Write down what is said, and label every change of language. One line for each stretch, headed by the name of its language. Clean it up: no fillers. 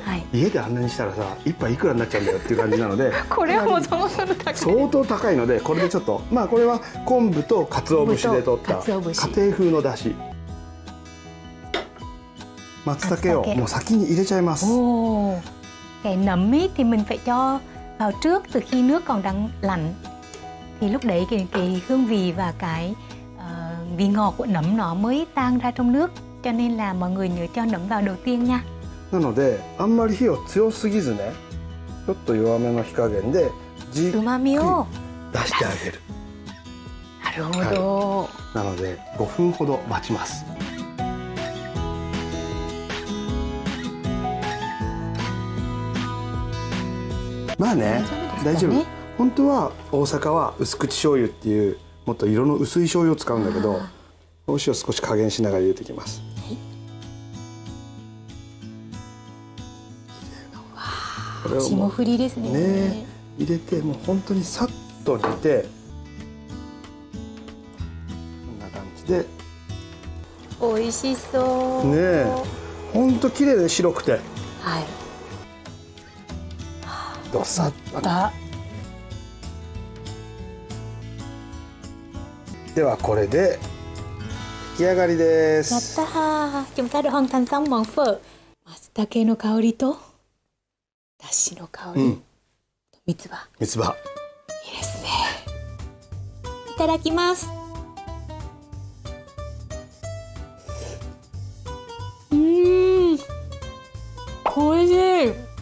Japanese: はい、家であんなにしたらさ一杯いくらになっちゃうんだよっていう感じなのでこれはもうそもそも高い、相当高いので、これでちょっとまあこれは昆布と鰹節で取った家庭風のだし、松茸をもう先に入れちゃいます。
Vietnamese: おー、nấm ấy thì mình phải cho vào trước từ khi nước còn đang lạnh thì lúc đấy cái hương vị và cái vì ngọt của nấm nó mới tan ra trong nước, cho nên là mọi người nhớ cho nấm vào đầu tiên nha.
Japanese: なのであんまり火を強すぎずね、ちょっと弱めの火加減でじっくり出してあげる。なるほど。なので5分ほど待ちます。まあね、大丈夫。本当は大阪は薄口醤油っていう。もっと色の薄い醤油を使うんだけど、お塩を少し加減しながら入れていきます。はい、これを霜降りですね。ね、入れてもう本当にさっと煮て、こんな感じで。美味しそう。ね、本当綺麗で白くて。はい。どさった。ではこれで出来上がりです。やったー、
Vietnamese: chúng ta đã hoàn thành xong món phở.
Japanese: 松茸の香りとだしの香り、うん、三つ葉、三つ葉いいですね。いただきます。うーん、おいしい。